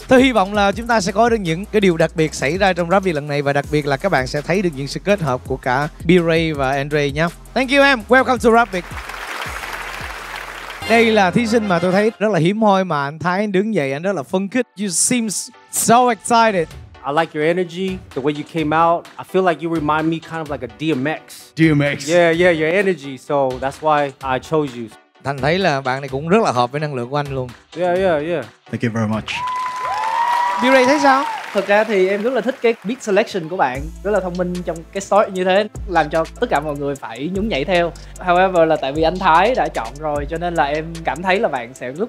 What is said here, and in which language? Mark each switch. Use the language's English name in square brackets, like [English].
[Vietnamese] Tôi hy vọng là chúng ta sẽ có được những cái điều đặc biệt xảy ra trong Rap Việt lần này, và đặc biệt là các bạn sẽ thấy được những sự kết hợp của cả B-Ray và Andre nhé. [English] Thank you [Vietnamese] em. [English] Welcome to Rap Việt. [Vietnamese] Đây là thí sinh mà tôi thấy rất là hiếm hoi mà anh Thái đứng dậy, anh rất là phấn khích. [English] You seem so excited. I like your energy, the way you came out. I feel like you remind me kind of like a DMX. DMX. Yeah, yeah, your energy. So that's why I chose you. [Vietnamese] Thành thấy là bạn này cũng rất là hợp với năng lượng của anh luôn. [English] Yeah, yeah, yeah. Thank you very much. [Vietnamese] B-Ray thấy sao? Thực ra thì em rất là thích cái beat selection của bạn, rất là thông minh trong cái story như thế, làm cho tất cả mọi người phải nhún nhảy theo. However là tại vì anh Thái đã chọn rồi, cho nên là em cảm thấy là bạn sẽ rất